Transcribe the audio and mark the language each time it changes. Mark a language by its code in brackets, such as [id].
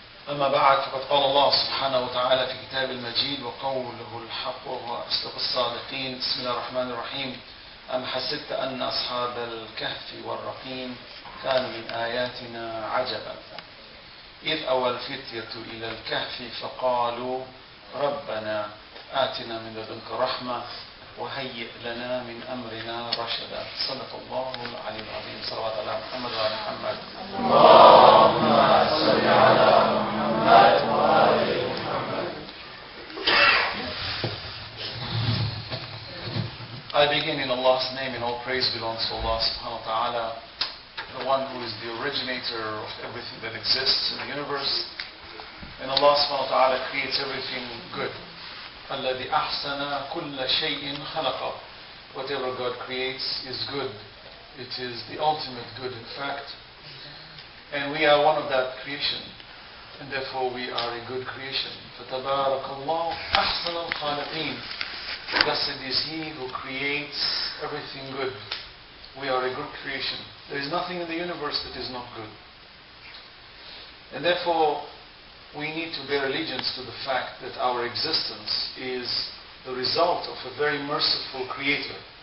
[ar] أما بعد، فقد قال الله سبحانه وتعالى في كتاب المجيد وقوله الحق وهو أصدق الصادقين، بسم الله الرحمن الرحيم: أم حسبت أن أصحاب الكهف والرقيم كانوا من آياتنا عجبا إذ أوى الفتية إلى الكهف فقالوا ربنا آتنا من لدنك رحمة وهيئ لنا من أمرنا رشدا. صدق الله العلي العظيم. صلوات على محمد وعلى محمد. اللهم صل على محمد وعلى محمد. [en] I begin in Allah's name and all praise belongs to Allah [ar] subhanahu wa ta'ala, [en] the one who is the originator of everything that exists in the universe. And Allah [ar] subhanahu wa ta'ala [en] creates everything good. [ar] الذي أحسن كل شيء خلقه. [en] Whatever God creates is good. It is the ultimate good, in fact. And we are one of that creation. And therefore we are a good creation. [ar] فتبارك الله أحسن الخالقين. [en] Blessed is He who creates everything good. We are a good creation. There is nothing in the universe that is not good. And therefore, we need to bear allegiance to the fact that our existence is the result of a very merciful Creator.